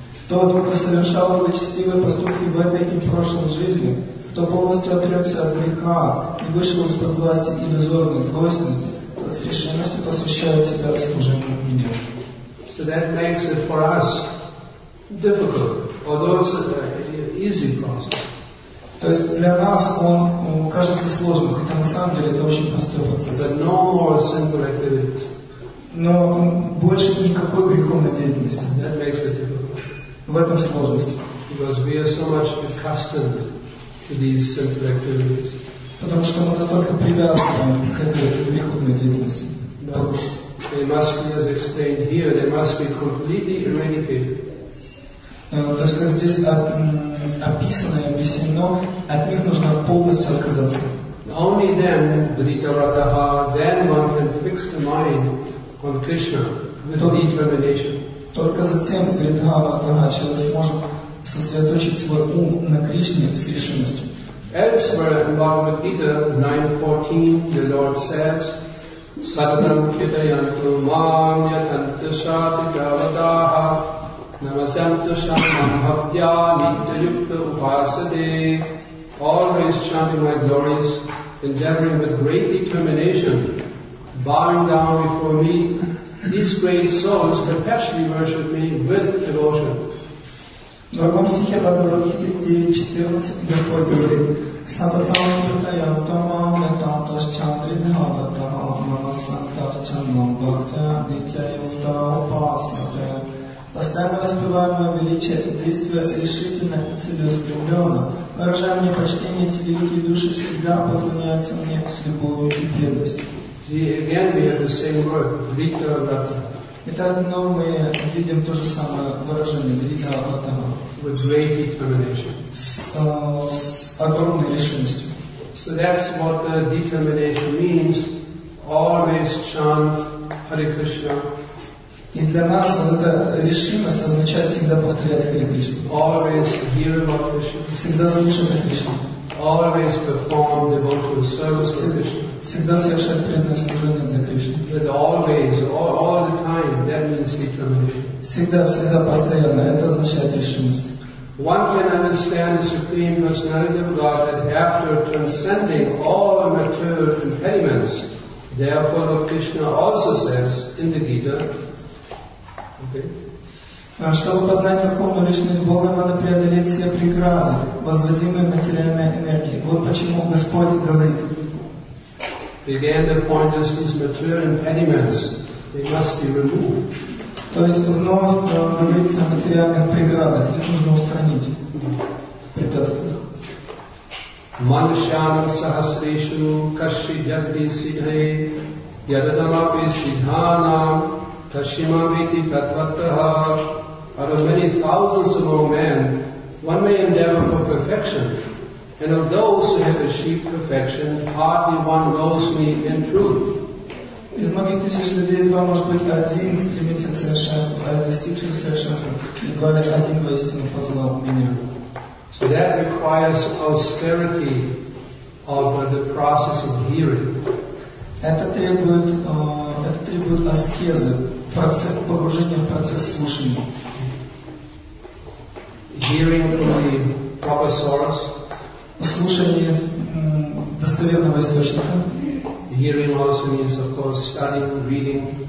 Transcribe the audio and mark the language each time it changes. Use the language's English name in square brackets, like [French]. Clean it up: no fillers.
[Russian] Тот, кто совершал благочестивые поступки в этой и в прошлой жизни, кто полностью отрекся от греха и вышел из-под власти иллюзорной двойственности, тот с решимостью посвящает себя служению мне. [English] So that makes it for us difficult, although it's an easy process. [Russian] То есть для нас он кажется сложным, хотя на самом деле это очень простой процесс. [English] But no more sinful activities. [Russian] Но больше никакой греховной деятельности. [English] That makes it difficult. [Russian] В этом сложность. [English] Because we are so much accustomed to these sinful activities. [Russian] Потому что мы настолько привязаны к этой греховной деятельности. [English] They must be, as explained here, they must be completely eradicated. [Russian] То есть, как здесь описано и объяснено, от них нужно полностью отказаться. [English] Only then, Dhritarataha, then one can fix the mind on Krishna with determination. [Russian] Только затем Дхритарадхара человек сможет сосредоточить свой ум на Кришне с решимостью. [English] Elsewhere in Bhagavad Gita 9.14 the Lord says, [Sanskrit] Satatam kitayantu mam yatantashati gavadaha namasantashamam bhaktya nityayukta upasade. [English] Always chanting my glories, endeavoring with great determination, bowing down before me, these great souls perpetually worship me with devotion. [Russian] В другом стихе Бхагавад Гиты 9.14 Господь говорит, [Sanskrit] Сататам китаянтамам нитантасчандридхава Санктарчанам Бхакта Нитя Юта Упасаде. [Russian] Постоянно воспеваем мое величие и действуя решительно и целеустремленно. Выражаем мне почтение, эти великие души всегда поклоняются мне с любовью и преданностью. Итак, но мы видим то же самое выражение Дрита Аватама. [English] With great determination. [Russian] С огромной решимостью. [English] So that's what the determination means. Always chant Hare Krishna. [Russian] И для нас вот эта решимость означает всегда повторять Hare Krishna. [English] Always hear about Krishna. [Russian] Всегда слушать о Кришне. [English] Always perform devotional service for Krishna. [Russian] Всегда совершать преданное служение для Кришны. [English] But always, all the time, that means determination. [Russian] Всегда, всегда, постоянно, это означает решимость. [English] One can understand the Supreme Personality of Godhead after transcending all material impediments. Therefore, Lord Krishna also says in the Gita, okay. [Russian] Чтобы познать Верховную Личность Бога, надо преодолеть все преграды, возводимые материальной энергией. Вот почему Господь говорит. [English] Again, the point is these material impediments, they must be removed. [Russian] То есть вновь говорится о материальных преградах, их нужно устранить, препятствия. [Sanskrit] Manushyanam sahasreshu kashi yadhi siddhe yadadamapi siddhanam kashimamiti tatvataha. [English] Out of many thousands among men, one may endeavor for perfection. And of those who have achieved perfection, hardly one knows me in truth. [Russian] Из многих тысяч людей два может быть один стремится к совершенству, а из достигших совершенства едва ли один воистину познал меня. [English] So that requires austerity of the process of hearing. [Russian] Это требует аскезы, погружения в процесс слушания. [English] Hearing from the proper source. [Russian] Слушание достоверного источника. [English] Hearing also means, of course, studying, reading.